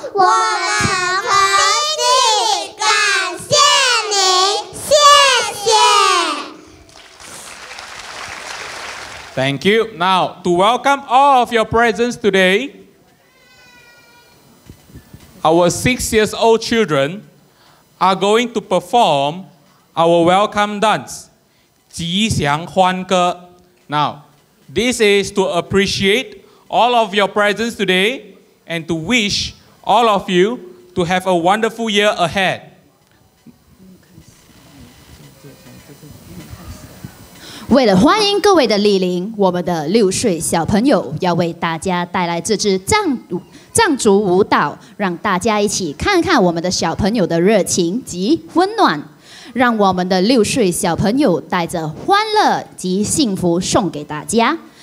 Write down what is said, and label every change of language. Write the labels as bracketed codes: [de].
[zh] 我们很替你感谢您，谢谢。 [en] Thank you. Now to welcome all of your presence today, our 6-year-old children are going to perform our welcome dance, 吉祥欢歌。 Now, this is to appreciate. All of your presence today, and to wish all of you to have a wonderful year ahead. [zh] 为了欢迎各位的莅临，我们的六岁小朋友要为大家带来这支藏族舞蹈，让大家一起看看我们的小朋友的热情及温暖，让我们的六岁小朋友带着欢乐及幸福送给大家。